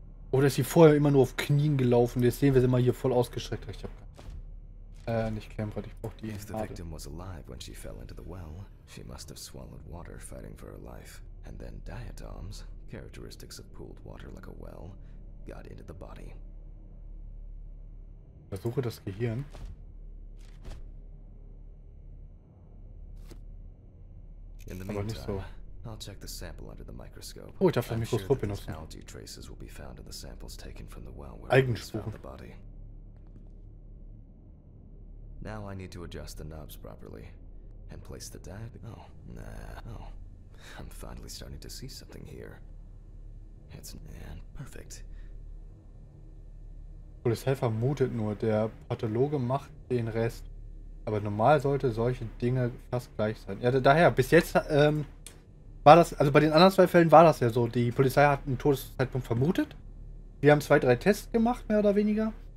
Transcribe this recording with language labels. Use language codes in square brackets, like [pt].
[de] Oder ist sie vorher immer nur auf Knien gelaufen? Jetzt sehen wir sie mal hier voll ausgestreckt. Ich hab nicht Klemmbrett, ich brauch die. [en] If the victim was alive when she fell into the well, she must have swallowed water fighting for her life. And then diatoms, characteristics of pooled water like a well, got into the body. [de] Versuche das Gehirn. [en] In the meantime, I'll check the sample under the microscope. [de] Oh, ich darf das Mikroskop benutzen. [en] Algae traces will be found in the samples taken from the well where we found the body. Now I need to adjust the knobs properly and place the diode. Oh, nah. Oh. I'm finally starting to see something here. It's perfect. [de] Das Helfer mutet nur, der Pathologe macht den Rest. Aber normal sollte solche Dinge fast gleich sein. Ja, daher, bis jetzt war das, also bei den anderen zwei Fällen war das ja so. Die Polizei hat einen Todeszeitpunkt vermutet. Wir haben 2, 3 Tests gemacht, mehr oder weniger.